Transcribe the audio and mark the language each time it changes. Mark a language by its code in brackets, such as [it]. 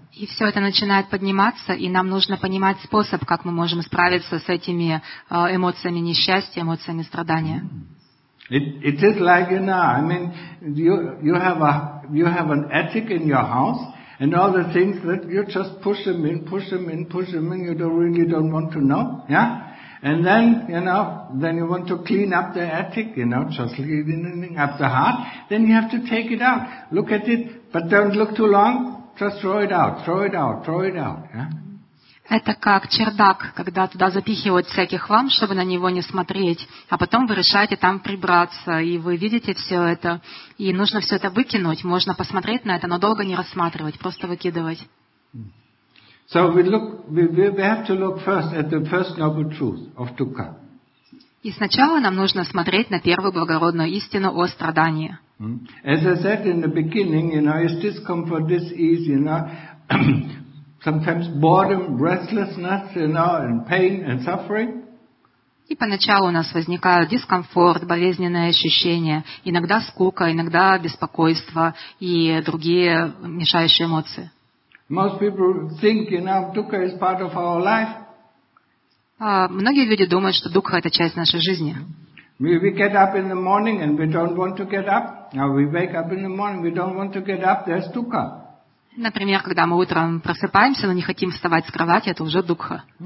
[ru] И все это начинает подниматься, и нам нужно понимать способ, как мы можем справиться с этими эмоциями несчастья, эмоциями страдания. [en] It is like, you know, I mean, you have an attic in your house, and all the things that you just push them in, you don't really want to know, yeah? And then you want to clean up the attic, you know, just cleaning up the heart, then you have to take it out, look at it, but don't look too long, just throw it out, yeah? [ru] Это как чердак, когда туда запихивают всякий хлам, чтобы на него не смотреть, а потом вы решаете там прибраться, и вы видите все это, и нужно все это выкинуть. Можно посмотреть на это, но долго не рассматривать, просто выкидывать. [en] So we have to look first at the first noble truth of dukkha. [ru] И сначала нам нужно смотреть на первую благородную истину о страдании. [en] As I said in the beginning, you know, is discomfort, this ease, you know. Sometimes boredom, restlessness, you know, and pain and suffering. [ru] И поначалу у нас возникает дискомфорт, болезненные ощущения, иногда скука, иногда беспокойство и другие мешающие эмоции. [en] Most people think, you know, dukkha is part of our life. [ru] Многие люди думают, что дукха это часть нашей жизни. [en] We get up in the morning and we don't want to get up. Now we wake up in the morning, we don't want to get up. There's dukkha. [ru] Например, когда мы утром просыпаемся, но не хотим вставать с кровати, это уже дукха.